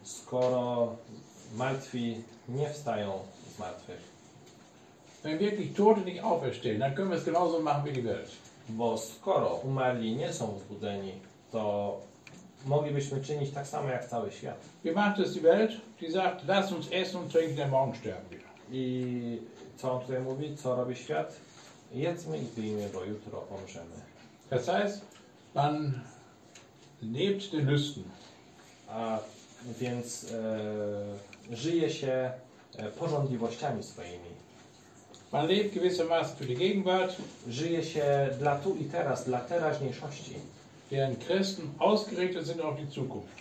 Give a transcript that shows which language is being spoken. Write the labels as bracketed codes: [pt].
[pl] Skoro martwi nie wstają z martwych. [de] Wenn wirklich Tote nicht auferstehen, dann können wir es genauso machen wie die Welt. [pl] Bo skoro umarli nie są wzbudzeni, to moglibyśmy czynić tak samo jak cały świat. [de] Wie macht es die Welt? Die sagt, lass uns essen und trinken, denn morgen sterben wir. [pl] I co on tutaj mówi? Co robi świat? Jedzmy i pijmy, bo jutro umrzemy. [de] Das heißt, man lebt den Lüsten. [pl] A więc żyje się pożądliwościami swoimi. [de] Man lebt gewissermaßen für die Gegenwart. [pl] Żyje się dla tu i teraz, dla teraźniejszości. [de] Während Christen ausgerichtet sind auf die Zukunft.